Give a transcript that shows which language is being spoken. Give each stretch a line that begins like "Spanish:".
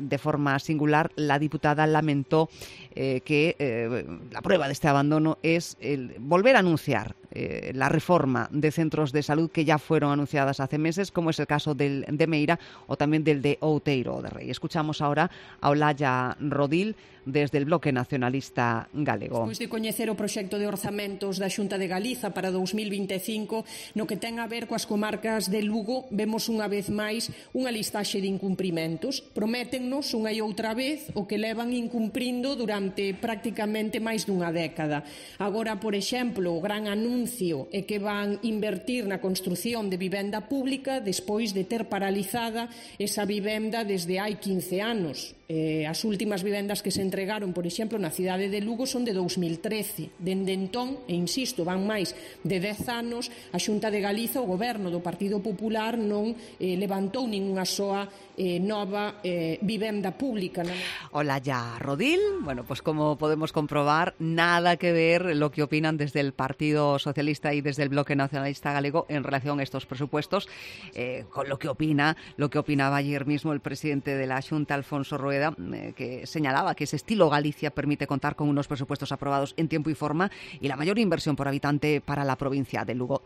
Spanish: De forma singular, la diputada lamentó que la prueba de este abandono es el volver a anunciar la reforma de centros de salud que ya fueron anunciadas hace meses, como es el caso del de Meira o también del de Outeiro de Rei. Escuchamos ahora a Olaya Rodil desde el Bloque Nacionalista Galego.
Galician: Despois de coñecer o proxecto de orzamentos da Xunta de Galiza para 2025, no que ten a ver coas comarcas de Lugo, vemos unha vez máis unha listaxe de incumprimentos. Prométennos unha e outra vez o que levan incumprindo durante prácticamente máis dunha década. Agora, por exemplo, o gran anuncio é que van invertir na construción de vivenda pública despois de ter paralizada esa vivenda desde hai 15 anos. As últimas vivendas que se entregaron, por exemplo, na cidade de Lugo son de 2013. Dende entón, e insisto, van máis de 10 anos, a Xunta de Galiza, o goberno do Partido Popular, non levantou ninguna soa nova vivenda pública.
Spanish: Hola, ya Rodil. Bueno, pues como podemos comprobar, nada que ver lo que opinan desde el Partido Socialista y desde el Bloque Nacionalista Galego en relación a estos presupuestos con lo que opinaba ayer mismo el presidente de la Xunta, Alfonso Rueda, Rueda, que señalaba que ese estilo Galicia permite contar con unos presupuestos aprobados en tiempo y forma y la mayor inversión por habitante para la provincia de Lugo.